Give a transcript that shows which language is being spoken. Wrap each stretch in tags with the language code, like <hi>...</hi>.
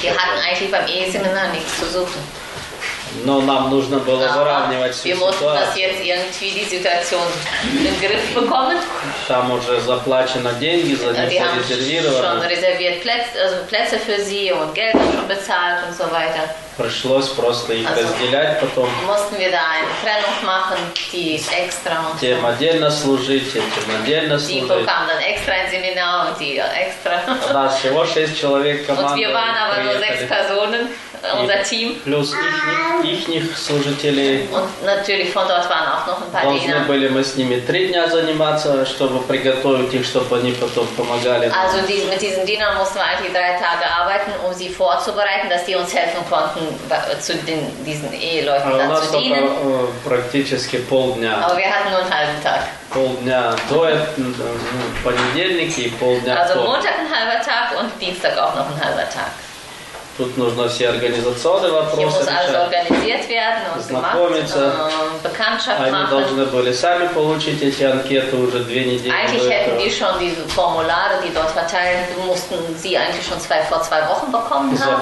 <de>Die hatten eigentlich beim E-Seminar nichts zu suchen.</de> <ru>Но нам нужно было выравнивать всю ситуацию.</ru> <de>Wir mussten jetzt irgendwie die Situation in den Griff bekommen.</de> <ru>Там уже заплачено деньги, за них все резервировано.</ru> <de>Schon reserviert Plätze für sie und Geld schon bezahlt und so weiter.</de> <ru>Пришлось просто их разделять потом.</ru> <de>Mussten wir da eine Trennung machen, die extra.</de> <ru>Тем отдельно служить, тем отдельно служить.</ru> <de>Die bekamen dann extra ein Seminar und die extra.</de> <ru>Да, всего 6 человек команды.</ru> <de>Und wir waren aber nur 6 Personen. Unser Team.</de> <ru>Плюс ихних служителей.</ru> <de>Und natürlich von dort waren auch noch ein paar Diener.</de> <ru>Должны были мы с ними 3 дня заниматься, чтобы приготовить их, чтобы они потом помогали.</ru> <de>Also mit diesen Dienern mussten wir eigentlich 3 Tage arbeiten, um sie vorzubereiten, dass die uns helfen konnten, zu diesen Eheleuten dann zu dienen.</de> <ru>Практически полдня.</ru> <de>Aber wir hatten nur einen halben Tag.</de> <ru>полдня до этого, понедельник и полдня.</ru> <de>Also Montag ein halber Tag und Dienstag auch noch ein halber Tag.</de> <ru>Тут нужно все организационные вопросы решать, знакомиться. Они должны были сами получить эти анкеты уже две недели.</ru> <de>Eigentlich hätten die schon diese Formulare, die dort verteilt, mussten sie eigentlich schon vor zwei Wochen bekommen haben.</de>